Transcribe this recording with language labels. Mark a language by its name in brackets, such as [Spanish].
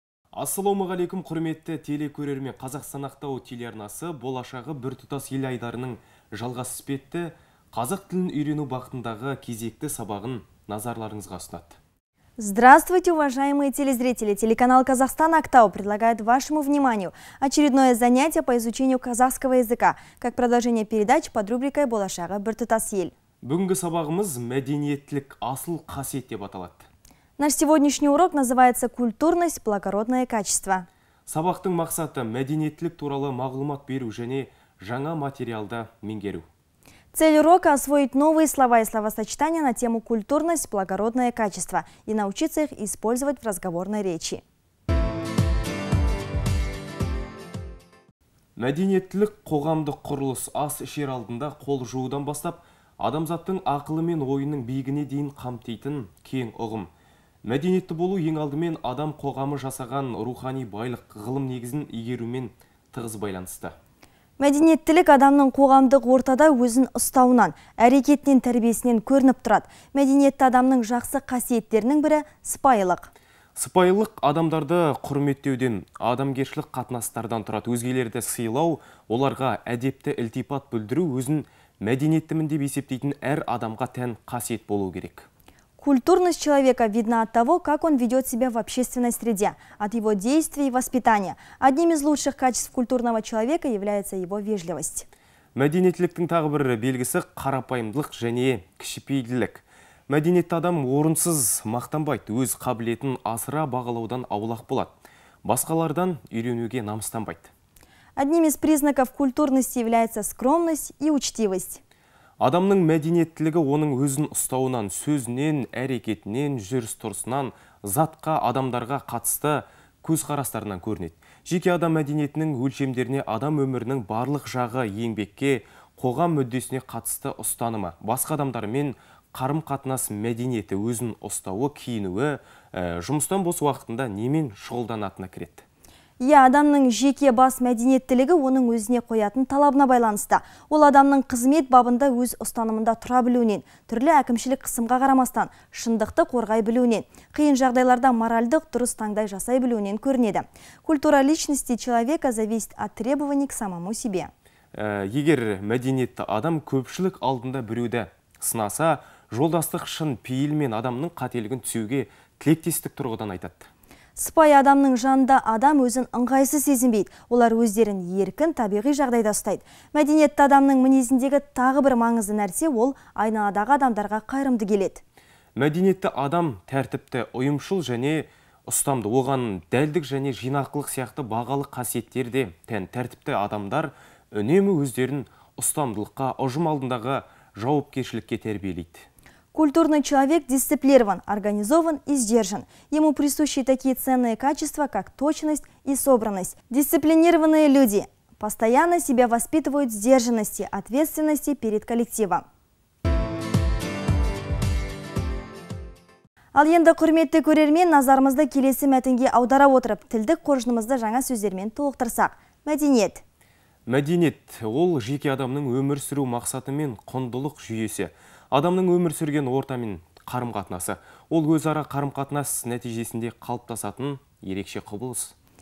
[Kazakh] Ассаламу алейкум, құрметті телекөрермен, Қазақстан Ақтау телеарнасы болашағы біртұтас ел айдарының жалғасы іспетті, қазақ тілін үйрену бақытындағы кезекті сабағын назарларыңызға ұсынады. [Russian] Здравствуйте, уважаемые телезрители! Телеканал «Казахстан Актау» предлагает вашему вниманию очередное занятие по изучению казахского языка, как продолжение передач под рубрикой [Kazakh] «Болашағы біртұтас ел». Бүгінгі сабағымыз «Мәдениеттілік асыл қасиет» деп аталады. [Russian] Наш сегодняшний урок называется «Культурность – благородное качество». [Kazakh] Сабақтың мақсаты – мәдениеттілік туралы мағлумат беру және жаңа материалды меңгеру. [Russian] Цель урока – освоить новые слова и словосочетания на тему «Культурность – благородное качество» и научиться их использовать в разговорной речи. [Kazakh] Мәдениеттілік қоғамдық құрылыс ас ішер алдында қол жуудан бастап, адамзаттың ақылы мен ойының бейгіне дейін қамтитын кейін ұғым. Мәдениетті болу ең алдымен адам қоғамы жасаған рухани байлық ғылым негізін игерумен тығыз байланысты. Мәдениеттілік адамның қоғамдық ортада өзін ұстауынан, әрекетінен, тәрбиесінен көрініп тұрады. Мәдениетті адамның жақсы қасиеттерінің бірі сыпайылық. Сыпайылық адамдарды құрметтеуден, адамгершілік қатынастардан тұрады. Өзгелерді сыйлау, оларға әдепті ілтипат білдіру өзін мәдениеттімін деп есептейтін әр адамға тән қасиет болу керек. [Russian] Культурность человека видна от того, как он ведет себя в общественной среде, от его действий и воспитания. Одним из лучших качеств культурного человека является его вежливость. [Kazakh] Мәдениеттіліктің тағы бір белгісі – қарапайымдылық және кішіпейілділік. Мәдениетті адам орынсыз мақтанбайды, өз қабілетін асыра бағалаудан аулақ болады. Басқалардан үйренуге намыстанбайды. [Russian] Одним из признаков культурности является скромность и учтивость. [Kazakh] Адамның мәдениеттілігі оның өзін ұстауынан, сөзінен, әрекетінен, жүріс-тұрысынан, затқа, адамдарға қатысты көзқарастарынан көрінеді. Жеке адам мәдениетінің өлшемдеріне адам өмірінің барлық жағы еңбекке, қоғам мүддесіне қатысты ұстанымы, басқа адамдармен қарым-қатынас мәдениеті өзін ұстауы, киінуі, жұмыстан бос уақытында немен шұғылданатыны кіреді. Иә, адамның жеке бас мәдениеттілігі оның өзіне қоятын талабына байланысты. Ол адамның қызмет бабында өз ұстанымында тұра білуінен, түрлі әкімшілік қысымға қарамастан, шындықты қорғай білуінен, қиын жағдайларда моральдық дұрыс таңдай жасай білуінен көрінеді. [Russian] Культура личности человека зависит от требований к самому себе. [Kazakh] Егер мәдениетті адам көпшілік алдында біреуді сынаса, жолдастық шын пейілмен адамның қателігін түзеуге тілектестік тұрғыдан айтады. Сыпайы адамның жанында адам өзін ыңғайсыз сезінбейді. Олар өздерін еркін табиғи жағдайда ұстайды. Мәдениетті адамның мінезіндегі тағы бір маңызды нәрсе ол айналадағы адамдарға қайырымды келеді. Мәдениетті адам тәртіпті, ұйымшыл және ұстамды. Оған дәлдік және жинақылық сияқты бағалы қасиеттер де тән. Тәртіпті адамдар үнемі өздерін ұстамдылыққа, ұжым алдындағы жауапкершілікке тәрбиелейді. [Russian] Культурный человек дисциплинирован, организован и сдержан. Ему присущи такие ценные качества, как точность и собранность. Дисциплинированные люди постоянно себя воспитывают сдержанности, ответственности перед коллективом. [Kazakh] Ал енді құрметті көрермен, назарымызды келесі мәтінге аудара отырып, тілдік қоржынымызды жаңа сөздермен толықтырсақ. Мәдениет. Мәдениет – ол жеке адамның өмір сүру мақсаты мен құндылық жүйесі. Адамның өмір сүрген ортамен қарым-қатынасы, ол өзара қарым-қатынас нәтижесінде қалыптасатын ерекше құбылыс.